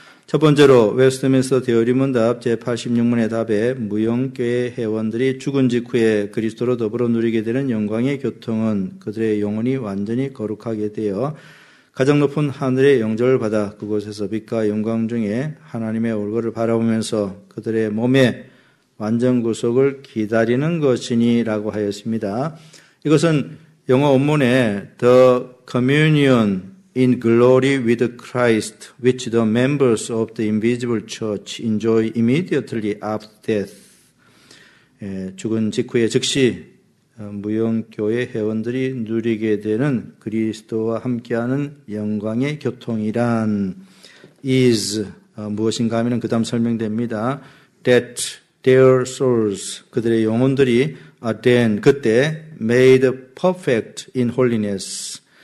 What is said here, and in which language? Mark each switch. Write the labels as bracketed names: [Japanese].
[Korean] 첫 번째로 웨스트민스터 대열이문답 제86문의 답에 무형교회 회원들이 죽은 직후에 그리스도로 더불어 누리게 되는 영광의 교통은 그들의 영혼이 완전히 거룩하게 되어 가장 높은 하늘의 영접을 받아 그곳에서 빛과 영광 중에 하나님의 얼굴을 바라보면서 그들의 몸에 완전 구속을 기다리는 것이니라고 하였습니다. 이것은 영어 원문에 [English] The communion in glory with Christ which the members of the invisible church enjoy immediately after death. [Korean] 죽은 직후에 즉시 무형교회 회원들이 누리게 되는 그리스도와 함께하는 영광의 교통이란 [English] is [Korean] 무엇인가 하면 그 다음 설명됩니다. [English] That their souls, [Korean] 그들의 영혼들이 [English] are then, [Korean] 그때 [English] made perfect in holiness.